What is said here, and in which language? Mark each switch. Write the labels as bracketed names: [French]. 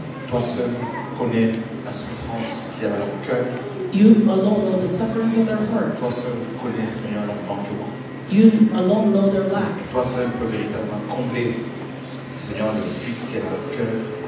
[French] Toi seul connais la souffrance qui est dans leur cœur. [English] You alone know the sufferings of their hearts. [French] Toi seul connais, Seigneur, leur manquement. [English] You alone know their lack. [French] Toi seul peux véritablement combler, Seigneur, le vide qui est dans leur cœur.